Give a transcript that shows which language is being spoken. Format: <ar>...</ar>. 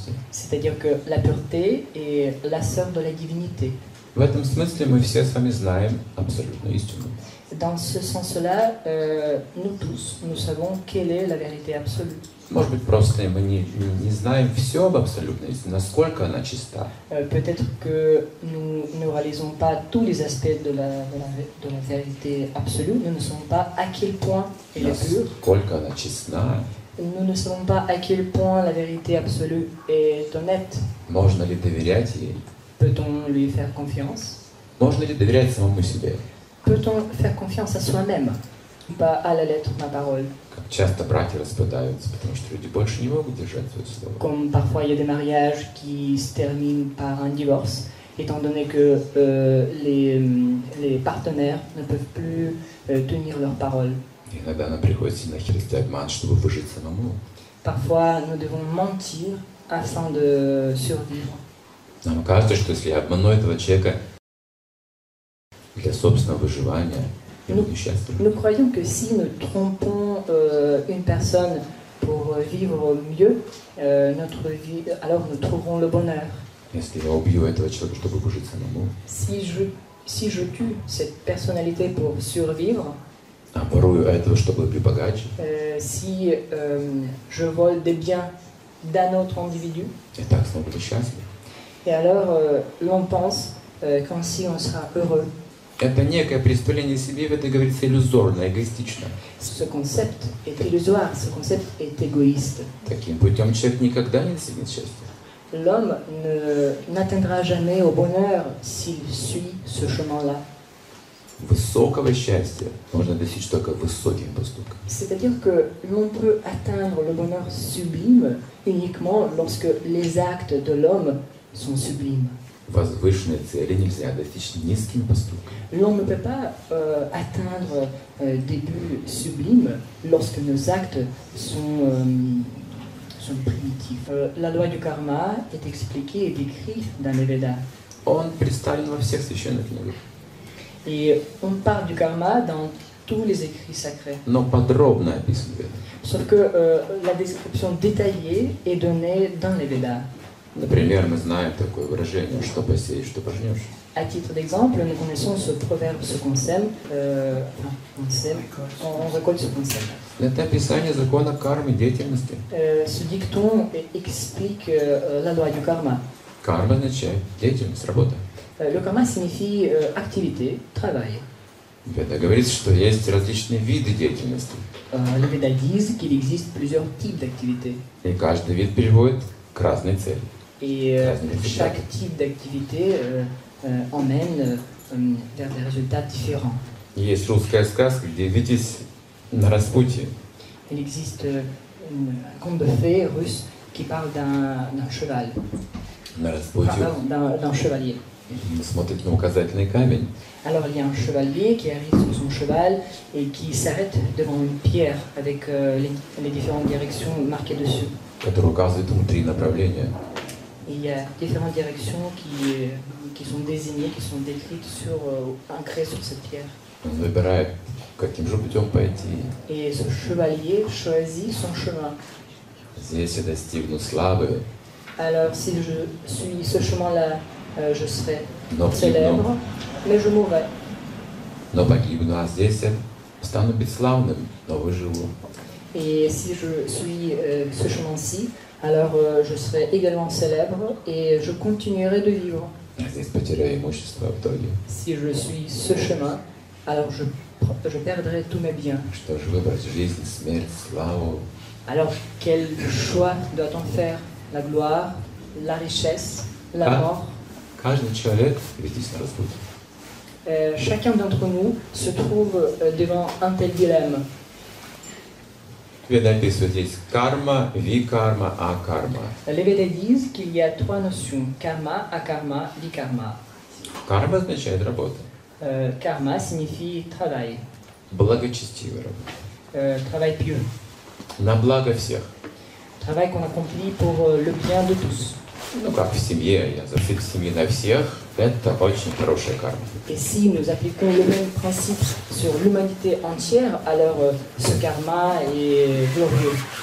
<fr>C'est-à-dire que la pureté est la sœur de la divinité.</fr> <ru>В этом смысле мы все с вами знаем абсолютную истину.</ru> <fr>Dans ce sens-là, nous tous, nous savons quelle est la vérité absolue.</fr> <ru>Может быть, просто мы не знаем все об абсолютной истине, насколько она чиста.</ru> <fr>Peut-être que nous ne réalisons pas tous les aspects de la vérité absolue. Nous ne savons pas à quel point elle est pure.</fr> <ru>Насколько она чиста.</ru> <fr>Nous ne savons pas à quel point la vérité absolue est honnête.</fr> <ru>Можно ли доверять ей?</ru> <fr>Peut-on lui faire confiance?</fr> <ru>Можно ли доверять самому себе?</ru> <fr>Peut-on faire confiance à soi-même, pas à la lettre de ma parole?</fr> <ru>Как часто браки распадаются, потому что люди больше не могут держать свое слово.</ru> <fr>Comme parfois il y a des mariages qui se terminent par un divorce, étant donné que les partenaires ne peuvent plus tenir leur parole.</fr> <ru>Иногда нам приходится нахлестать обман, чтобы выжить самому.</ru> <fr>Parfois nous devons mentir afin de survivre.</fr> <ru>Нам кажется, что если я обману этого человека для собственного выживания, я буду счастлив.</ru> <fr>Nous croyons que si nous trompons une personne pour vivre mieux notre vie, alors nous trouverons le bonheur.</fr> <ru>Если я убью этого человека, чтобы выжить самому.</ru> <fr>Si je tue cette personnalité pour survivre.</fr> <ru>Оборую этого, чтобы быть богаче.</ru> <fr>Si je vole des biens d'un autre individu.</fr> <ru>Я так смогу быть счастлив.</ru> <fr>Et alors, l'on pense qu'ainsi on sera heureux.</fr> <ru>Это некое представление себе, это говорится иллюзорно, эгоистично.</ru> <fr>Ce concept est illusoire. Ce concept est égoïste.</fr> <ru>Таким путем человек никогда не достигнет счастья.</ru> <fr>L'homme n'atteindra jamais au bonheur s'il suit ce chemin-là.</fr> <ru>высокого счастья можно достичь только высоким поступком.</ru> <fr>C'est-à-dire que l'on peut atteindre le bonheur sublime uniquement lorsque les actes de l'homme sont sublimes.</fr> <ru>Возвышенные цели нельзя достичь низким поступком.</ru> <fr>L'on ne peut pas atteindre des buts sublimes lorsque nos actes sont sont primitifs. La loi du karma est expliquée et décrite dans les Védas.</fr> <ru>Он представлен во всех священных книгах. И он</ru> <fr>parle du karma dans tous les écrits sacrés.</fr> <ru>Но подробно описан в Ведах.</ru> <fr>Sauf que la description détaillée est donnée dans les Védas.</fr> <ru>Например, мы знаем такое выражение: что посеешь, что пожнешь.</ru> <fr>À titre d'exemple, nous connaissons ce proverbe, ce concept, on récolte ce concept.</fr> <ru>Это описание закона кармы деятельности.</ru> <fr>Ce dicton explique la loi du karma.</fr> <ru>Карма означает деятельность, работа.</ru> <fr>Le karma signifie activité, travail.</fr> <ru>Веда говорит, что есть различные виды деятельности.</ru> <fr>Le Veda dit qu'il existe plusieurs types d'activité.</fr> <ru>И каждый вид приводит к разной цели.</ru> <fr>Chaque type d'activité emmène vers des résultats différents.</fr> <ru>Есть русская сказка, где витязь на распутье.</ru> <fr>Il existe un conte de fées russe qui parle d'un cheval.</fr> <ru>На распутье.</ru> <fr>D'un chevalier.</fr> <ru>Смотрит на указательный камень.</ru> <fr>Alors il y a un chevalier qui arrive sur son cheval et qui s'arrête devant une pierre avec les différentes directions marquées dessus.</fr> <ru>Который указывает ему три направления.</ru> <fr>Il y a différentes directions qui sont désignées, qui sont décrites sur ancrées sur cette pierre.</fr> <ru>Он выбирает, каким же путем пойти.</ru> <fr>Et ce chevalier choisit son chemin.</fr> <ru>Здесь я достигну славы.</ru> <fr>Alors si je suis ce chemin-là, je serai célèbre, mais je mourrai.</fr> <ru>Но погибну, а здесь я стану бесславным, но выживу.</ru> <fr>Et si je suis ce chemin-ci, alors je serai également célèbre et je continuerai de vivre.</fr> <ru>Здесь потеряю имущество в итоге.</ru> <fr>Si je suis ce chemin, alors je perdrai tous mes biens.</fr> <ru>Что же выбрать, жизнь, смерть, славу?</ru> <fr>Alors quel choix doit-on faire? La gloire, la richesse, la mort.</fr> <ru>Каждый человек витязь на распутье.</ru> <fr>Chacun d'entre nous se trouve devant un tel dilemme.</fr> <ru>Веда описывает здесь карма, викарма, акарма.</ru> <fr>Les Védas disent qu'il y a trois notions: karma, akarma, vikarma.</fr> <ru>Карма означает работа.</ru> <fr>Karma signifie travail.</fr> <ru>Благочестивая работа.</ru> <fr>Travail pieux.</fr> <ru>На благо всех.</ru> <fr>Travail qu'on accomplit pour le bien de tous.</fr> <ru>Ну как в семье, я за всех в семье на всех, это очень хорошая карма.</ru> <fr>Et si nous appliquons le même principe sur l'humanité entière, alors ce karma est glorieux.</fr>